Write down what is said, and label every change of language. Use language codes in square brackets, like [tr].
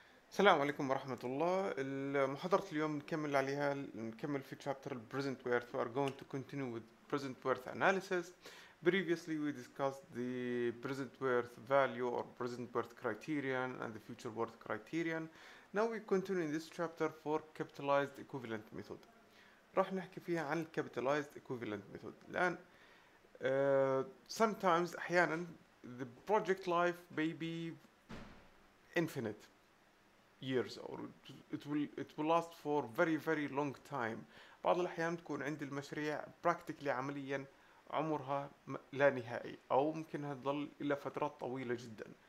[ar] السلام عليكم ورحمة الله. محاضرة اليوم نكمل عليها، نكمل في chapter present worth. [en] We are going to continue with present worth analysis. Previously we discussed the present worth value or present worth criterion and the future worth criterion. Now we continue in this chapter for capitalized equivalent method. [ar] راح نحكي فيها عن capitalized equivalent method. [en] الآن sometimes أحيانا the project life may be infinite years or it will last for very very long time. [ar] بعض الأحيان تكون عند المشاريع practically عمليا عمرها لا نهائي أو ممكن تظل إلى فترات طويلة جدا.